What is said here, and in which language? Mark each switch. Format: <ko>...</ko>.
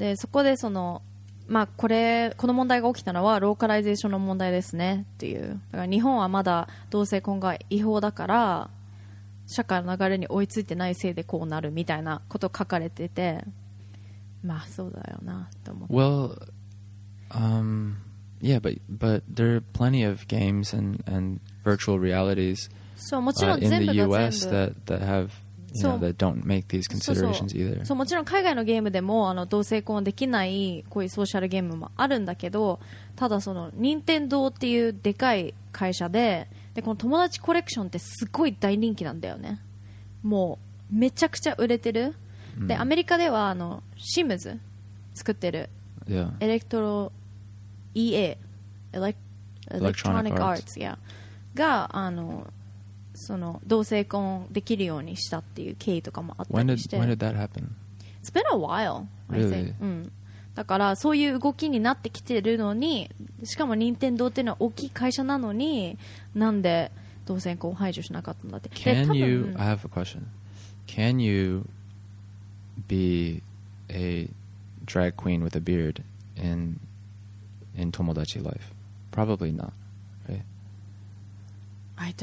<ja>でそこでその、まあ、この問題が起きたのはローカライゼーションの問題ですねっていうだから日本はまだ同性婚が違法だから社会の流れに追いついてないせいでこうなるみたいなこと書かれててまあそうだよなと思って</ja> <en>well、Yeah, but there are plenty of games and virtual realities in the U.S. that have, you know, that don't make these considerations either.</en> <ja>そう、もちろん海外のゲームでも同性婚できないこういうソーシャルゲームもあるんだけど、ただその任天堂っていうでかい会社で、でこの友達コレクションってすごい大人気なんだよね。もうめちゃくちゃ売れてる。で、アメリカではシムズ作ってる。</ja> <en>Yeah.</en> <ja>エレクトロEA</ja> <en>Electronic Arts、 yeah.</en> <ja>がその同性婚できるようにしたっていう経緯とかもあったりして</ja> <en>when did that happen? It's been a while Really? I think.、</en> <ja>うん、だからそういう動きになってきてるのにしかも任天堂っていうのは大きい会社なのになんで同性婚を排除しなかったんだって</ja> <en>Can you I have a question Can you be a drag queen with a beard in Tomodachi Life probably not、right?</en>